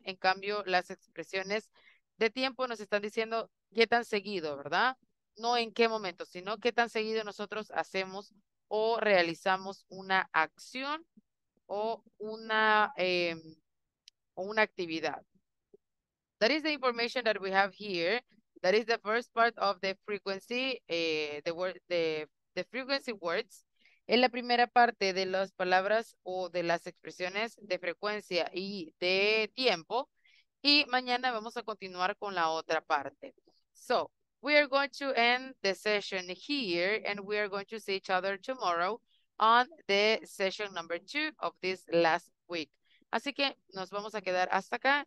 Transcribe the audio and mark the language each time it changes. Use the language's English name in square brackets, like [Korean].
[Spanish] En cambio, las expresiones de tiempo nos están diciendo qué tan seguido, ¿verdad? No en qué momento, sino qué tan seguido nosotros hacemos o realizamos una acción o una actividad. [English] That is the information that we have here. That is the first part of the frequency, the frequency words. [Spanish] En la primera parte de las palabras o de las expresiones de frecuencia y de tiempo. Y mañana vamos a continuar con la otra parte. [English] So, we are going to end the session here and we are going to see each other tomorrow on the session number 2 of this last week. [Spanish] Así que nos vamos a quedar hasta acá.